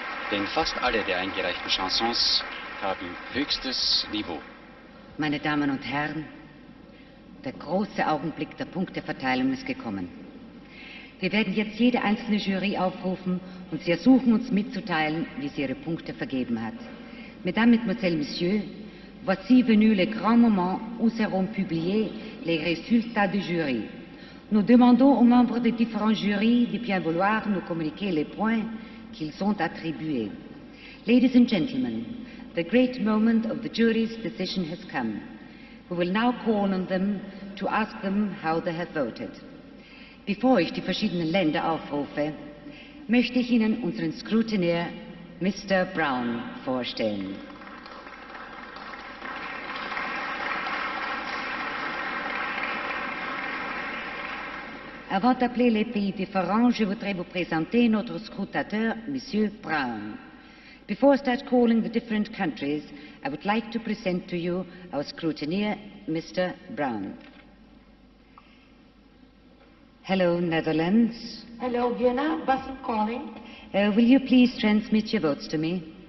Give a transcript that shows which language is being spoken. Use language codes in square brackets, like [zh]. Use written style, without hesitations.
[de] Denn fast alle der eingereichten Chansons haben höchstes Niveau. Meine Damen und Herren, der große Augenblick der Punkteverteilung ist gekommen. Wir werden jetzt jede einzelne Jury aufrufen und sie ersuchen, uns mitzuteilen, wie sie ihre Punkte vergeben hat. [fr] Mesdames, Mesdemoiselles, Messieurs, voici venu le grand moment où seront publiés les résultats du jury. Nous demandons aux membres des différents jurys de bien vouloir nous communiquer les points qu'ils ont attribués. [en] Ladies and gentlemen, the great moment of the jury's decision has come. We will now call on them to ask them how they have voted. [de] Bevor ich die verschiedenen Länder aufrufe, möchte ich Ihnen unseren Scrutineer Mr. Brown vorstellen. [fr] Avant d'appeler les pays différents, je voudrais vous présenter notre scrutateur, Monsieur Brown. [en] Before I start calling the different countries, I would like to present to you our scrutineer, Mr. Brown. Hello, Netherlands. Hello, Vienna. Basel calling. Will you please transmit your votes to me?